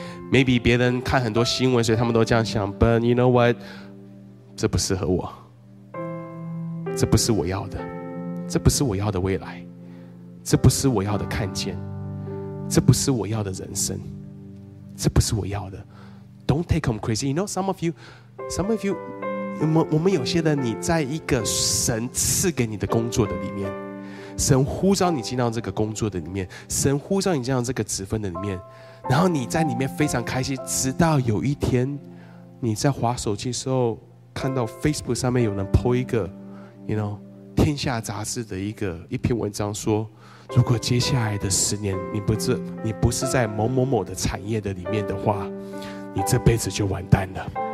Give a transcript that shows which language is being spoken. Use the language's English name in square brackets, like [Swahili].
[English] Maybe [Chinese] 别人看很多新闻，所以他们都这样想。 [English] But you know what? [Chinese] 这不适合我，这不是我要的，这不是我要的未来，这不是我要的看见，这不是我要的人生，这不是我要的。 [English] Don't take them crazy. You know some of you. [Chinese] 我们有些人，你在一个神赐给你的工作的里面，神呼召你进到这个工作的里面，神呼召你进到这个职分的里面，然后你在里面非常开心，直到有一天你在滑手机的时候，看到 Facebook 上面有人 po 一个 [English] you know [Chinese] 天下杂志的一篇文章，说如果接下来的十年你不是在某某某的产业的里面的话，你这辈子就完蛋了。